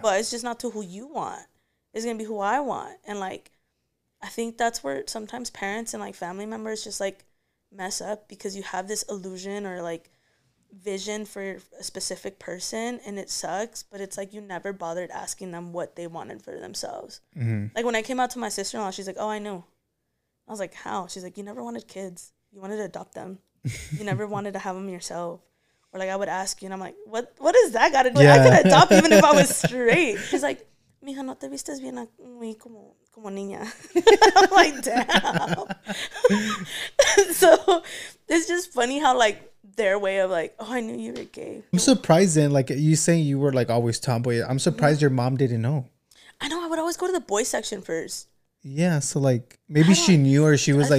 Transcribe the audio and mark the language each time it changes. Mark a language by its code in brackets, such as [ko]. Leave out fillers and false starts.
[en] But it's just not to who you want. It's going to be who I want. And like, I think that's where sometimes parents and like family members just like mess up, because you have this illusion or like vision for a specific person and it sucks, but it's like you never bothered asking them what they wanted for themselves. Mm-hmm. Like when I came out to my sister-in-law, she's like, oh, I knew. I was like, how? She's like, you never wanted kids. You wanted to adopt them. You never wanted to have them yourself. Or like I would ask you and I'm like, what does that got to do? Yeah. I could adopt even if I was straight. She's like, [es] mija, no te vistes bien muy como... como niña. [en] I'm like, damn. So it's just funny how like their way of like, oh, I knew you were gay. I'm surprised then, like you saying you were like always tomboy, I'm surprised your mom didn't know. I know, I would always go to the boy section first. Yeah, so like maybe she knew, or she was like,